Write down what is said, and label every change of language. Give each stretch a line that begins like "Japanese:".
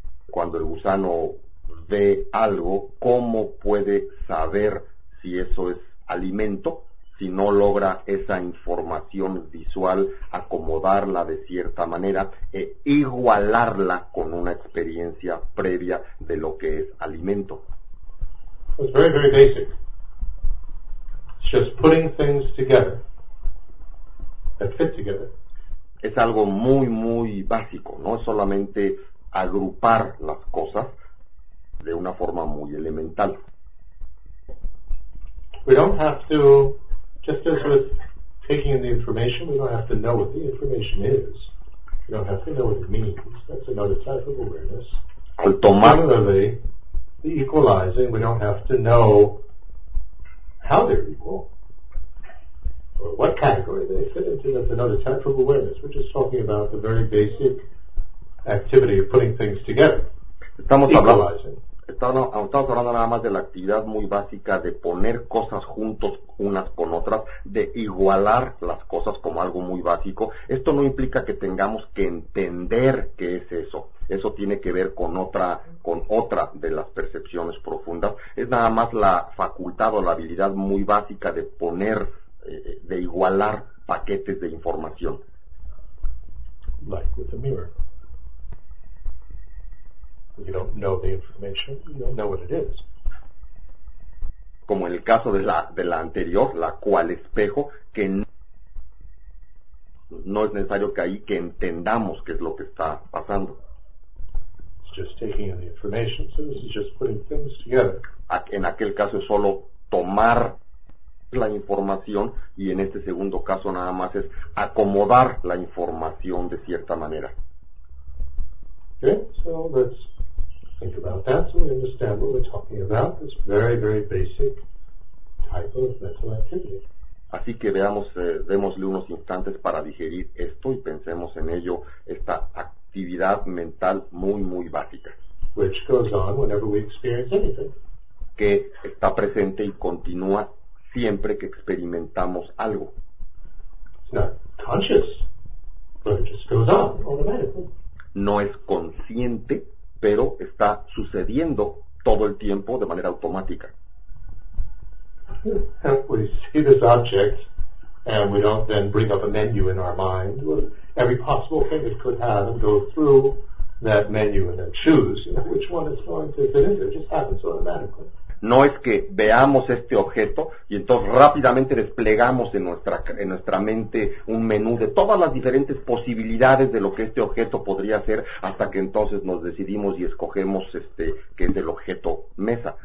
Spanish: Cuando el gusano ve algo, ¿cómo puede saber si eso es alimento? Si no logra esa información visual, acomodarla de cierta manera e igualarla con una experiencia previa de lo que es alimento.
English: It's very, very basic. It's just putting things together that fit together.
Spanish: Es algo muy, muy básico, ¿no? Es solamente agrupar las cosas de una forma muy elemental.
English: We don't have to. Just as with taking in the information, we don't have to know what the information is. We don't have to know what it means. That's another type of awareness.
Spanish: Al tomar.
English: Similarly, the equalizing, we don't have to know how they're equal or what category they fit into. That's another type of awareness. We're just talking about the very basic activity of putting things together.
Spanish: Estamos
English: equalizing.
Spanish: Estamos hablando nada más de la actividad muy básica de poner cosas juntos unas con otras, de igualar las cosas como algo muy básico. Esto no implica que tengamos que entender qué es eso. Eso tiene que ver con otra de las percepciones profundas. Es nada más la facultad o la habilidad muy básica de poner, de igualar paquetes de información.
English: Like with a mirror. You don't know the information, you don't know what it is.
Spanish: como en el caso de la anterior, la cual espejo, que no es necesario que ahí que entendamos qué es lo que está pasando.
English: It's just taking in the information. So this is just putting things together.
Spanish: En aquel caso es solo tomar la información, y en este segundo caso nada más es acomodar la información de cierta manera.
English: Okay, so let's think about that so we understand what we're talking about, this very, very basic type of mental activity.
Spanish: Así que veamos, démosle unos instantes para digerir esto y pensemos en ello, esta actividad mental muy, muy básica.
English: Which goes on whenever we experience anything.
Spanish: Que está presente y continúa siempre que experimentamos algo.
English: It's not conscious, but it just goes on automatically.
Spanish: No es consciente, pero está sucediendo todo el tiempo de manera automática.
English: We see this object and we don't then bring up a menu in our mind. Every possible thing it could have, and go through that menu and then choose, you know, which one is going to fit into. It just happens automatically.
Spanish: No es que veamos este objeto y entonces rápidamente desplegamos en nuestra mente un menú de todas las diferentes posibilidades de lo que este objeto podría ser, hasta que entonces nos decidimos y escogemos este, que es el objeto mesa.